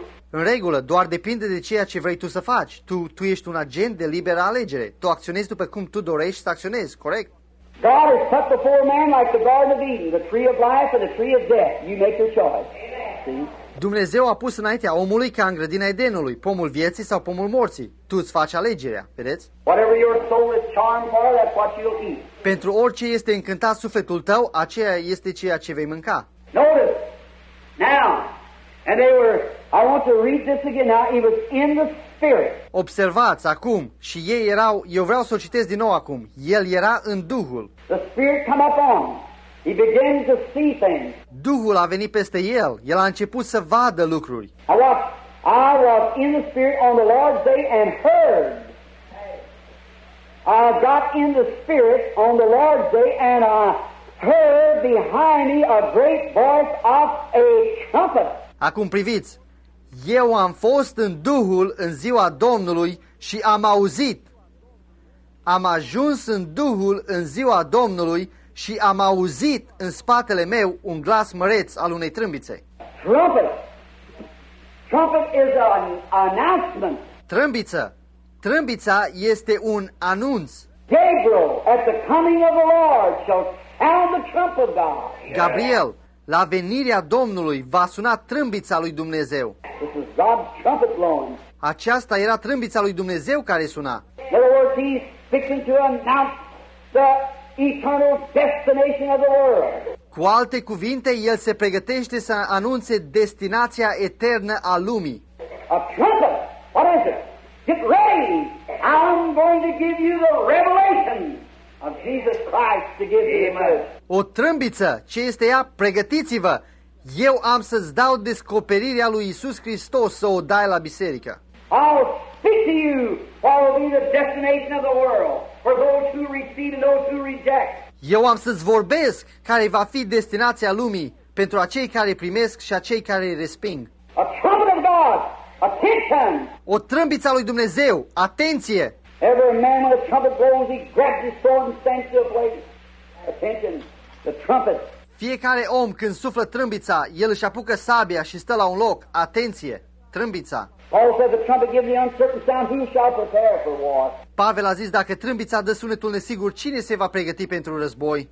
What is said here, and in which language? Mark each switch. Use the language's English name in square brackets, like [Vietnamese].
[Romanian] În regulă, doar depinde de ceea ce vrei tu să faci. Tu ești un agent de liberă alegere. Tu acționezi după cum tu dorești să acționezi, corect? [English] God has put before man like the Garden of Eden, the tree of life and the tree of death. You make your choice. See? [Romanian] Dumnezeu a pus înaintea omului ca în grădina Edenului, pomul vieții sau pomul morții. Tu îți faci alegerea, vedeți? [English] Whatever your soul is charmed for, that's what you'll eat. [Romanian] Pentru orice este încântat sufletul tău, aceea este ceea ce vei mânca. [English] Notice, now, and they were, I want to read this again now, it was in the spirit. [Romanian] Observați acum, și ei erau, eu vreau să o citesc din nou acum, el era în Duhul. [English] The spirit come upon. He began to see things. [Romanian] Duhul a venit peste el. El a început să vadă lucruri. [English] I was in the spirit on the Lord's day and heard. I got in the spirit on the Lord's day and I heard behind me a great voice of a trumpet. [Romanian] Acum priviți. Eu am fost în Duhul în ziua Domnului și am auzit. Am ajuns în Duhul în ziua Domnului și am auzit în spatele meu un glas măreț al unei trâmbițe. [English] Trumpet. Trumpet is an announcement. [Romanian] Trâmbiță. Trâmbița este un anunț. [English] Gabriel, at the coming of the Lord, shall sound the trumpet of God. [Romanian] Gabriel, la venirea Domnului, va suna trâmbița lui Dumnezeu. [English] This is God's trumpet blowing. [Romanian] Aceasta era trâmbița lui Dumnezeu care suna. [English] In other words, he's fixing to announce the eternal destination of the world. [Romanian] Cu alte cuvinte, el se pregătește să anunțe destinația eternă a lumii. [English] A trumpet. What is it? Get ready. I'm going to give you the revelation of Jesus Christ to give you. [Romanian] O trâmbiță, ce este ea? Pregătiți-vă. Eu am să-ți dau descoperirea lui Iisus Hristos să o dai la biserică. [English] I'll speak to you while it'll be the destination of the world. For those who receive and those who reject. [Romanian] Eu am să-ți vorbesc care va fi destinația lumii pentru acei care primesc și acei care resping. [English] A trumpet of God, attention! [Romanian] O trâmbiță lui Dumnezeu, atenție! [English] Every man with a trumpet blows, he grabs his sword and stands to the place. Attention, the trumpet! [Romanian] Fiecare om când suflă trâmbița, el își apucă sabia și stă la un loc. Atenție, trâmbița! [English] Paul said the trumpet gives the uncertain sound, who shall prepare for war? [Romanian] Pavel a zis, dacă trâmbița dă sunetul nesigur, cine se va pregăti pentru război?